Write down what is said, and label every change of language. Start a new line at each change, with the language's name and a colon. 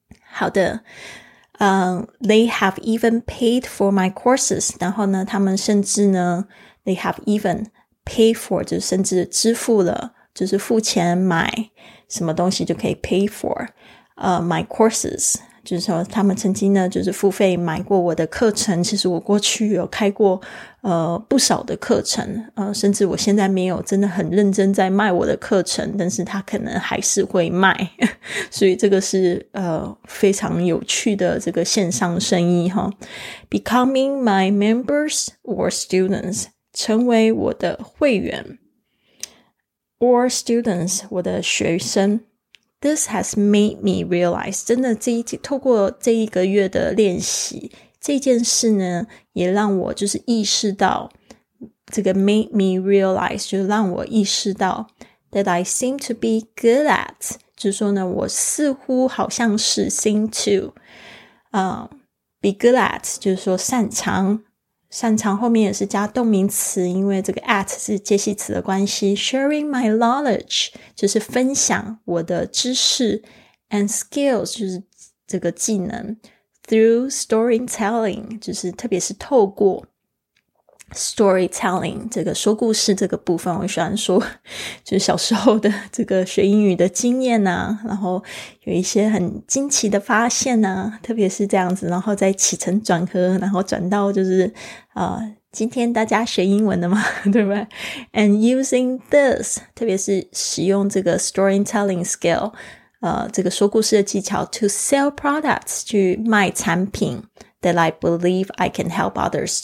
Chinese: 好的，
English: they have even paid for my courses，
Chinese: 然后呢他们甚至呢
English: they have even paid for，
Chinese: 就是甚至支付了，就是付钱买什么东西就可以
English: pay for my courses，
Chinese: 就是说他们曾经呢就是付费买过我的课程。其实我过去有开过不少的课程，甚至我现在没有真的很认真在卖我的课程，但是他可能还是会卖。所以这个是非常有趣的这个线上生意哈。
English: Becoming my members or students，
Chinese: 成为我的会员。
English: Or students，
Chinese: 我的学生。
English: This has made me realize，
Chinese: 真的透过这一个月的练习，这件事呢也让我就是意识到，这个
English: made me realize
Chinese: 就让我意识到
English: that I seem to be good at，
Chinese: 就是说呢我似乎好像是
English: seem to be good at，
Chinese: 就是说擅长后面也是加动名词，因为这个 at 是介系词的关系。
English: Sharing my knowledge
Chinese: 就是分享我的知识，
English: and skills
Chinese: 就是这个技能，
English: through storytelling
Chinese: 就是特别是透过 storytelling 这个说故事这个部分。我喜欢说就是小时候的这个学英语的经验啊，然后有一些很惊奇的发现啊，特别是这样子，然后再起承转合，然后转到就是今天大家学英文的嘛，对不对？
English: And using this，
Chinese: 特别是使用这个
English: storytelling skill，
Chinese: 这个说故事的技巧
English: to sell products，
Chinese: 去卖产品，
English: that I believe I can help others。